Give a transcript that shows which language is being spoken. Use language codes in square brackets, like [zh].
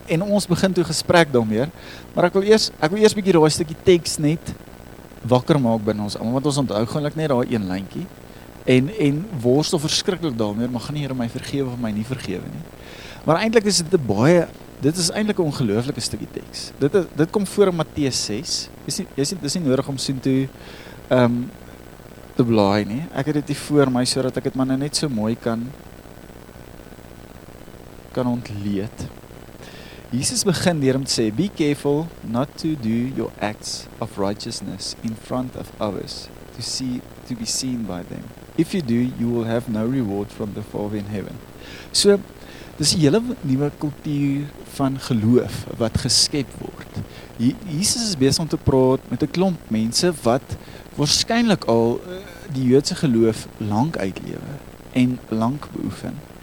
[af] En ons begin toe gesprek daarmee, maar ek wil eers bietjie daai stukkie teks net wakker maak binne ons almal, want ons onthou gewoonlik net daai een lyntjie en worstel verskriklik daarmee, maar gaan nie Here my vergewe of my nie vergewe nie. Maar eintlik is dit 'n baie Dit is eintlik 'n ongelooflike stukkie teks. Dit kom voor in Matteus 6. Dis nie nodig om sien toe te blaai nie. Ek het dit hier voor my sodat ek dit maar net so mooi kan ontleed. Jesus begin deur om te sê, [en] "Be careful not to do your acts of righteousness in front of others to be seen by them. If you do, you will have no reward from the Father in heaven." [af] So dis 'n hele nuwe kultuur van geloof wat geskep word. Jesus is besig om te praat met 'n klomp mense wat waarskynlik al die Joodse geloof lank uitlewe en lank beoefen.